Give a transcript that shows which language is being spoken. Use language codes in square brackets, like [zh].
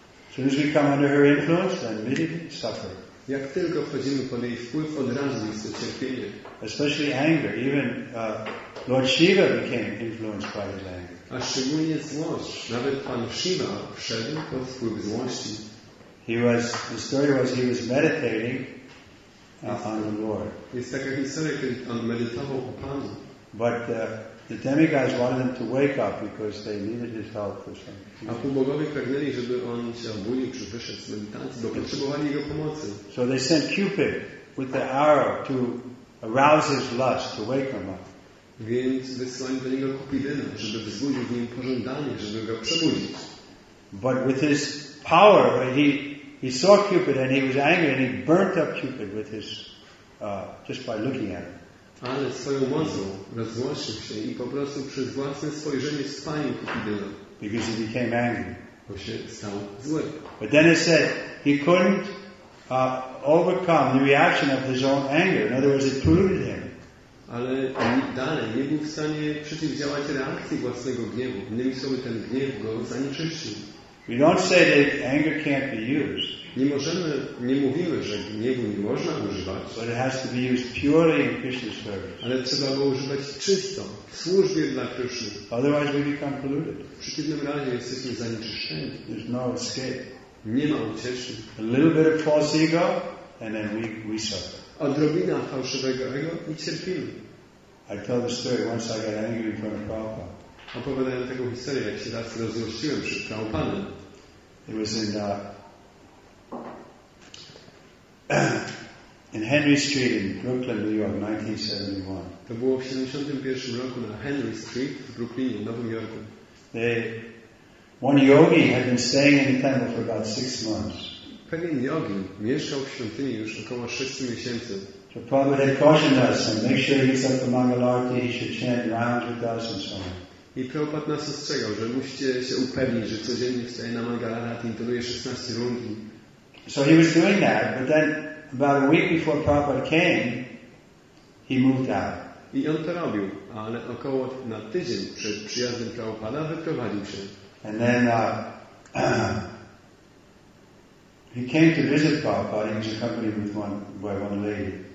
[en] As soon as we come under her influence, then we suffer. [pl] Jak tylko wchodzimy pod jej wpływ, od razu jest cierpienie. [en] Especially anger. Even Lord Shiva became influenced by his anger. [pl] A szczególnie złość. Nawet Pan Shiva wszedł pod wpływ złości. [en] The story was he was meditating on the Lord. [pl] Jest taka historia, kiedy on medytował po Panu. [en] But the demigods wanted him to wake up because they needed his help for something. [pl] A półbogowie pragnęli, żeby on się obudził czy wyszedł z medytacji, bo potrzebowali jego pomocy. [en] So they sent Cupid with the arrow to arouse his lust, to wake him up. [pl] Więc wysłali do niego Kupidyna, żeby wzbudził w nim pożądanie, żeby go przebudzić. [en] But with his power, he saw Cupid and he was angry and he burnt up Cupid with his just by looking at him. [pl] Ale swoją mocą rozłościł się i po prostu przez własne spojrzenie spalił Kupidyna. [en] Because he became angry. [pl] Bo się stał zły. [en] But then it said he couldn't overcome the reaction of his own anger. In other words, it polluted him. [pl] Ale dalej nie był w stanie przeciwdziałać reakcji własnego gniewu. Innymi słowy, ten gniew go zanieczyścił. [en] We don't say that anger can't be used. [pl] Nie mówimy, że gniewu nie można używać. [en] But it has to be used purely in Krishna's service. [pl] Ale trzeba go używać czysto, w służbie dla Krishna. [en] Otherwise we become polluted. [pl] W przeciwnym razie jesteśmy zanieczyszczeni. [en] There's no escape. [pl] Nie ma ucieczki. [en] A little bit of false ego, and then we suffer. [pl] Odrobina fałszywego ego i cierpimy. [en] I tell the story once I got angry in front of Papa. [pl] Opowiadałem taką historię, jak się raz rozłościłem przed Prabhupadą. [en] It was in Henry Street in Brooklyn, New York, 1971. [pl] To było w 71 roku na Henry Street w Brooklynie, Nowym Jorku. [en] One yogi had been staying in the temple for about 6 months. [pl] Pewien jogi mieszkał w świątyni już około 6 miesięcy. [en] So Prabhupada had cautioned us and make sure he gets up the Mangalarti, he should chant rounds with us and so on. [pl] I Prabhupada nas ostrzegał, że musicie się upewnić, że codziennie wstaje na Mangalarati, intonuje 16 rund. [en] So he was doing that, but then about a week before Prabhupada came, he moved out. [pl] I on to robił, ale około na tydzień przed przyjazdem Prabhupada wyprowadził się. [en] And then he came to visit Prabhupada, he was accompanied by one lady.